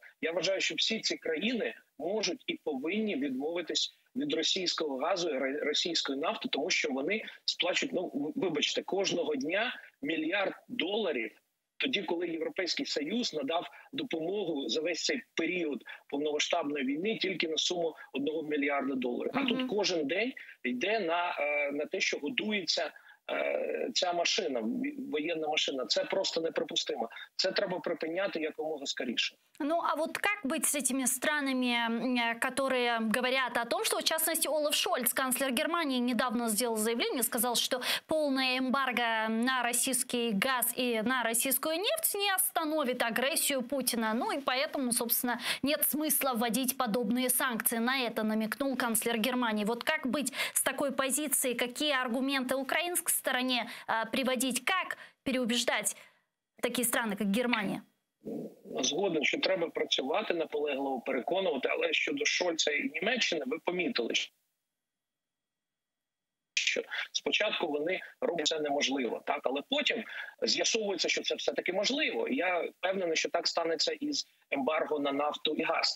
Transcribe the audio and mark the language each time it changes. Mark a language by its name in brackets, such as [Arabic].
[Ukrainian] Я вважаю, що всі ці країни можуть і повинні відмовитись від російського газу і російської нафти, тому що вони сплачують, ну, вибачте, кожного дня мільярд доларів, тоді, коли Європейський Союз надав допомогу за весь цей період повномасштабної війни тільки на суму 1 мільярда доларів. А тут кожен день йде на те, що годується ця машина, воєнна машина, це просто неприпустимо. Це треба припиняти якомога скоріше. [Russian] Ну, а вот как быть с этими странами, которые говорят о том, что, в частности, Олаф Шольц, канцлер Германии, недавно сделал заявление, сказал, что полное эмбарго на российский газ и на российскую нефть не остановит агрессию Путина. Ну и поэтому, собственно, нет смысла вводить подобные санкции. На это намекнул канцлер Германии. Вот как быть с такой позицией? Какие аргументы украинской стороне приводить? Как переубеждать такие страны, как Германия? [Ukrainian] Згоден, що треба працювати наполегливо, переконувати, але щодо Шольца і Німеччини, ви помітили, що спочатку вони роблять це неможливо, так? Але потім з'ясовується, що це все-таки можливо. Я впевнений, що так станеться і з ембарго на нафту і газ.